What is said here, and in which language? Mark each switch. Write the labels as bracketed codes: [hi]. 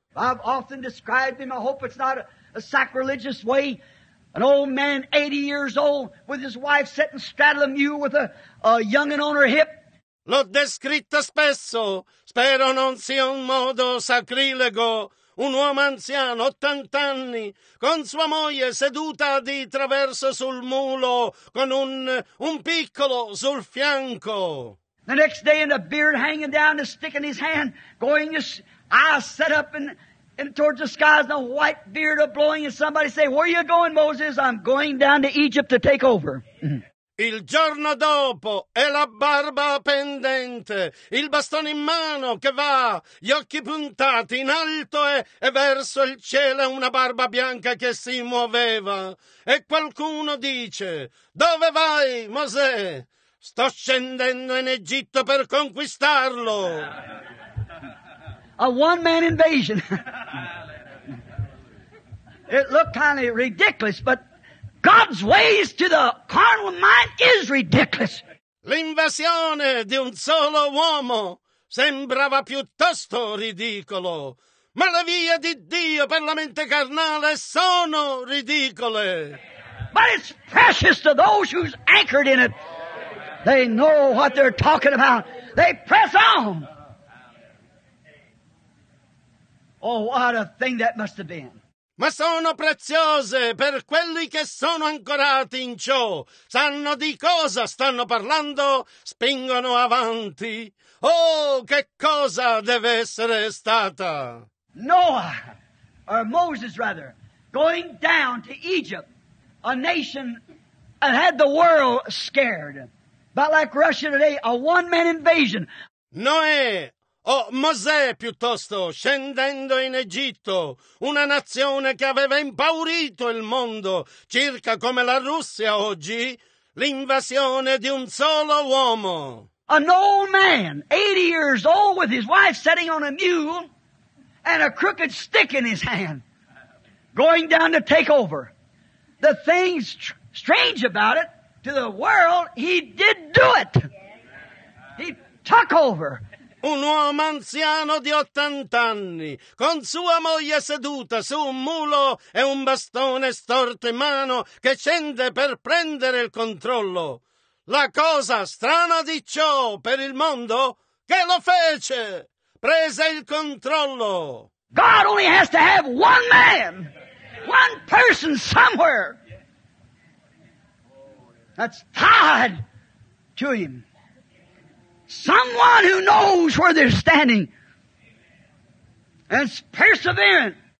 [en] I've often described him, I hope it's not a sacrilegious way, an old man, 80 years old, with his wife sitting straddle a mule with a young'un on her hip. [it] L'ho descritto spesso, spero non sia un modo sacrilego. Un uomo anziano, 80 anni, con sua moglie seduta di traverso sul mulo, con un piccolo sul fianco. [en] The next day, and a beard hanging down, a stick in his hand, going his eyes set up in towards the skies, and a white beard a blowing, and somebody say, "Where are you going, Moses?" "I'm going down to Egypt to take over." [it] Il giorno dopo è la barba pendente, il bastone in mano che va, gli occhi puntati in alto e verso il cielo una barba bianca che si muoveva. E qualcuno dice, "Dove vai, Mosè?" "Sto scendendo in Egitto per conquistarlo." [en] A one man invasion. It looked kind of ridiculous, but God's ways to the carnal mind is ridiculous. [it] L'invasione di un solo uomo sembrava piuttosto ridicolo, ma le vie di Dio per la mente carnale sono ridicole. [en] But it's precious to those who's anchored in it. They know what they're talking about. They press on. Oh, what a thing that must have been. [it] Ma sono preziose per quelli che sono ancorati in ciò. Sanno di cosa stanno parlando, spingono avanti. Oh, che cosa deve essere stata? [en] Noah, or Moses rather, going down to Egypt, a nation that had the world scared. But like Russia today, a one-man invasion. [it] Noè. Oh, Mosè, piuttosto, scendendo in Egitto, una nazione che aveva impaurito il mondo, circa come la Russia oggi, l'invasione di un solo uomo. [en] An old man, 80 years old, with his wife sitting on a mule and a crooked stick in his hand, going down to take over. The thing strange about it, to the world, he did do it. He took over. [it] Un uomo anziano di 80 anni, con sua moglie seduta su un mulo e un bastone storto in mano che scende per prendere il controllo. La cosa strana di ciò per il mondo che lo fece, prese il controllo. [en] God only has to have one man, one person somewhere that's tied to him. Someone who knows where they're standing and is perseverant.